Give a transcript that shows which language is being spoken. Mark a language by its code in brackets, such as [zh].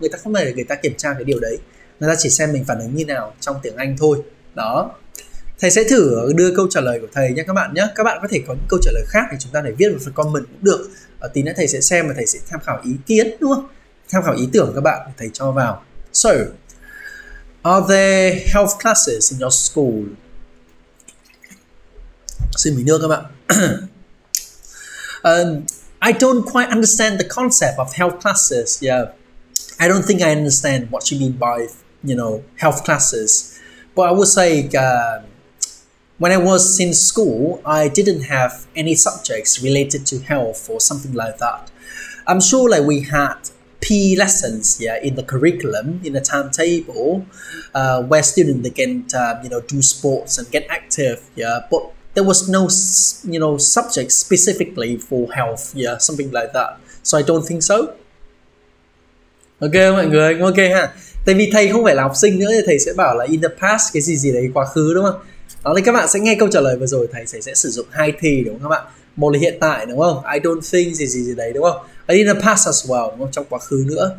[vi] Người ta không thể người ta kiểm tra cái điều đấy. Người ta chỉ xem mình phản ứng như nào trong tiếng Anh thôi. Đó. Thầy sẽ thử đưa câu trả lời của thầy nha các bạn nhé. Các bạn có thể có những câu trả lời khác thì chúng ta để viết vào phần comment cũng được. Tí nữa thầy sẽ xem và thầy sẽ tham khảo ý kiến đúng không? Tham khảo ý tưởng các bạn để thầy cho vào. [en] So, are there health classes in your school? [vi] Xin mình nữa các bạn. [en] I don't quite understand the concept of health classes. Yeah, I don't think I understand what you mean by, you know, health classes. But I would say, when I was in school, I didn't have any subjects related to health or something like that. I'm sure like we had PE lessons, yeah, in the curriculum, in the timetable, where students they can, you know, do sports and get active, yeah. But there was no, you know, subject specifically for health, yeah, something like that. So I don't think so. Okay, [vi] mọi người, [en] okay ha. [vi] Tại vì thầy không phải là học sinh nữa, thì thầy sẽ bảo là [en] in the past [vi] cái gì gì đấy quá khứ đúng không? Đó, thì các bạn sẽ nghe câu trả lời vừa rồi, thầy sẽ sử dụng hai thì đúng không các bạn? Một là hiện tại đúng không? [en] I don't think [vi] gì gì gì đấy đúng không? [en] And in the past as well, [vi] đúng không? Trong quá khứ nữa.